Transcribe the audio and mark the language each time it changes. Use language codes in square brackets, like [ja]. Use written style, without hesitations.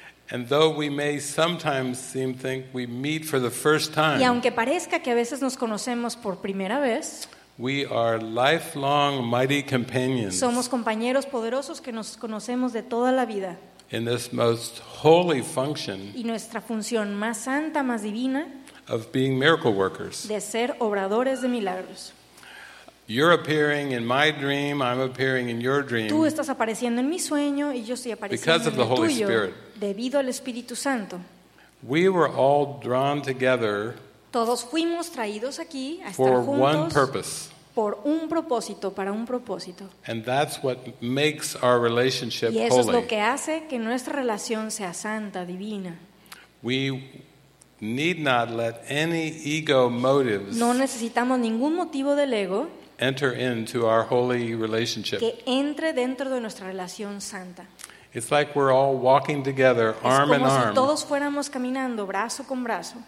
[en] And though we may sometimes seem think we meet for the first time, [es] y aunque parezca que a veces nos conocemos por primera vez, [en] we are lifelong mighty companions. [es] Somos compañeros poderosos que nos conocemos de toda la vida. [en] In this most holy function, [es] y nuestra función más santa, más divina, [en] of being miracle workers, [es] de ser obradores de milagros. [en] You're appearing in my dream, I'm appearing in your dream. [es] Tú estás apareciendo en mi sueño y yo estoy apareciendo en el tuyo. Debido al Espíritu Santo. [en] We were all drawn together. [es] Todos fuimos traídos aquí a estar [en] for [es] juntos [en] one purpose. [es] por un propósito, para un propósito. [en] And that's what makes our relationship holy. [es] Y eso es lo que hace que nuestra relación sea santa, divina. [en] We need not let any ego motives. [es] No necesitamos ningún motivo del ego. [en] Enter into our holy relationship. [es] Que entre dentro de nuestra relación santa. [en] It's like we're all walking together, arm in arm. [es] Es como si todos fuéramos caminando brazo con brazo.